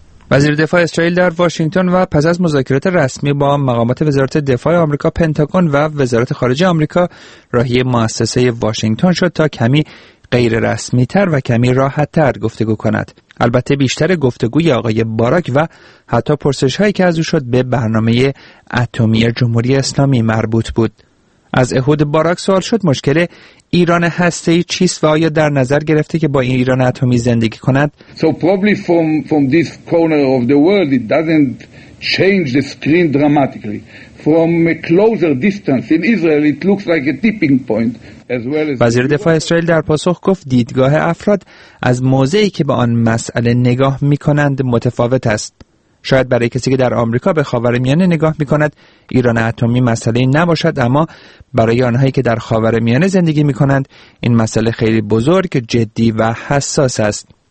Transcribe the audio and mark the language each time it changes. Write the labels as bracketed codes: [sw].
[fa] وزیر دفاع اسرائیل در واشنگتن و پس از مذاکرات رسمی با مقامات وزارت دفاع آمریکا، پنتاگون و وزارت خارجه آمریکا، راهی مؤسسه واشنگتن شد تا کمی غیر رسمی تر و کمی راحت تر گفتگو کند. البته بیشتر گفتگوی آقای باراک و حتی پرسش هایی که از او شد به برنامه اتمی جمهوری اسلامی مربوط بود. از اهود باراک سوال شد مشکل ایران هسته‌ای چیست و آیا در نظر گرفته که با این ایران اتمی زندگی کند؟ [en] So probably from this corner of the world it doesn't change the screen dramatically. From a closer distance in Israel it looks like a tipping point. [fa] وزیر دفاع اسرائیل در پاسخ گفت دیدگاه افراد از موضعی که به آن مسئله نگاه می‌کنند متفاوت است. شاید برای کسی که در آمریکا به خاورمیانه نگاه می‌کند ایران اتمی مسئله‌ای نباشد، اما برای آنهایی که در خاورمیانه زندگی می‌کنند این مسئله خیلی بزرگ، جدی و حساس است.